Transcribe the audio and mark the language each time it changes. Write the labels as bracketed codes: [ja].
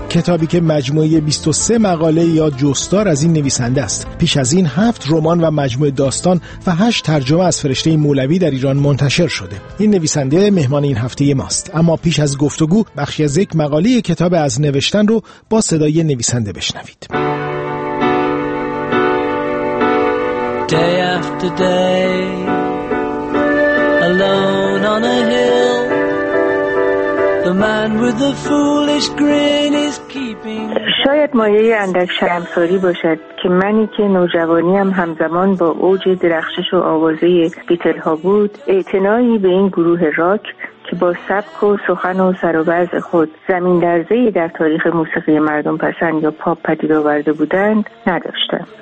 [fa] کتابی که مجموعه 23 مقاله یا جستار از این نویسنده است. پیش از این 7 رمان و مجموعه داستان و 8 ترجمه از فرشته مولوی در ایران منتشر شده. این نویسنده مهمان این هفته ماست. اما پیش از گفتگو بخشی از یک مقاله کتاب از نوشتن رو با صدای نویسنده بشنوید. [en] Day after day, alone on a hill, the man with the foolish grin is keeping. [fa] شاید مایه اندک شرمساری باشد که منی که نوجوانیم همزمان با اوج درخشش و آوازه بیتل ها بود، اعتنایی به این گروه راک که با سبک و سخن و سر و وضع خود زمین لرزه‌ای در تاریخ موسیقی مردم پسند یا پاپ پدید آورده بودند نداشتم.